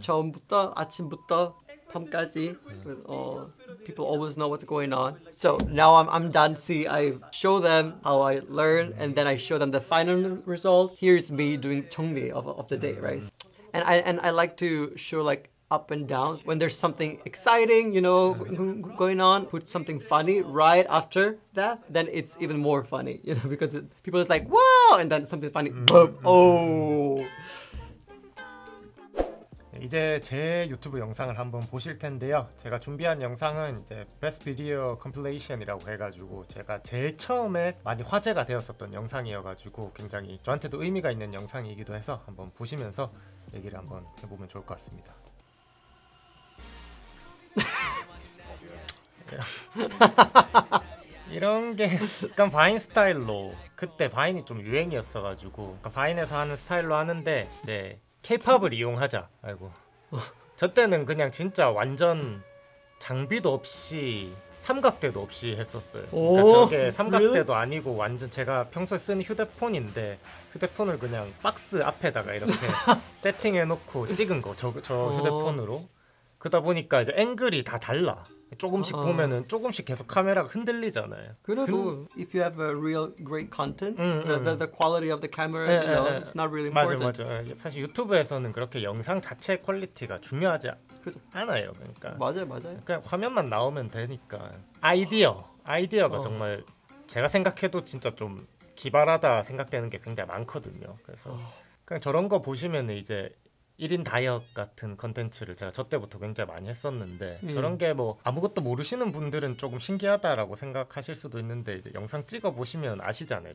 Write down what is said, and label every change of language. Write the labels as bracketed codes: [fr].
[ko] 처음부터 아침부터 밤까지. [en] People always know what's going on. So now I'm done. See, I show them how I learn, and then I show them the final result. Here's me doing 정리 of the day, right? And I like to show like. Up and down when there's something exciting, you know, going on, put something funny right after that, then it's even more funny, you know, because people is like, wow, and then something funny, boom, oh. [ko] 이제 제 유튜브 영상을 한번 보실 텐데요. 제가 준비한 영상은 이제 Best Video Compilation이라고 해가지고 제가 제일 처음에 많이 화제가 되었었던 영상이어가지고 굉장히 저한테도 의미가 있는 영상이기도 해서 한번 보시면서 얘기를 한번 해보면 좋을 것 같습니다. 이런 게 약간 바인 스타일로, 그때 바인이 좀 유행이었어가지고 바인에서 하는 스타일로 하는데, 이제 케이팝을 이용하자. 아이고, 저 때는 그냥 진짜 완전 장비도 없이 삼각대도 없이 했었어요. 그러니까 저게 삼각대도 아니고 완전 제가 평소에 쓰는 휴대폰인데, 휴대폰을 그냥 박스 앞에다가 이렇게 세팅해놓고 찍은 거, 저 휴대폰으로. 그러다 보니까 이제 앵글이 다 달라. 조금씩 보면은 조금씩 계속 카메라가 흔들리잖아요. 그래도 [en] if you have a real great content, the quality of the camera, you know, it's not really important. [ko] 맞아 맞아. 사실 유튜브에서는 그렇게 영상 자체 퀄리티가 중요하지 않아요. 그러니까 맞아 맞아. 그냥 화면만 나오면 되니까 아이디어가 정말 제가 생각해도 진짜 좀 기발하다 생각되는 게 굉장히 많거든요. 그래서 그냥 저런 거 보시면 이제 1인 다이어 같은 컨텐츠를 제가 저 때부터 굉장히 많이 했었는데 저런 게 뭐 아무것도 모르시는 분들은 조금 신기하다라고 생각하실 수도 있는데 이제 영상 찍어보시면 아시잖아요.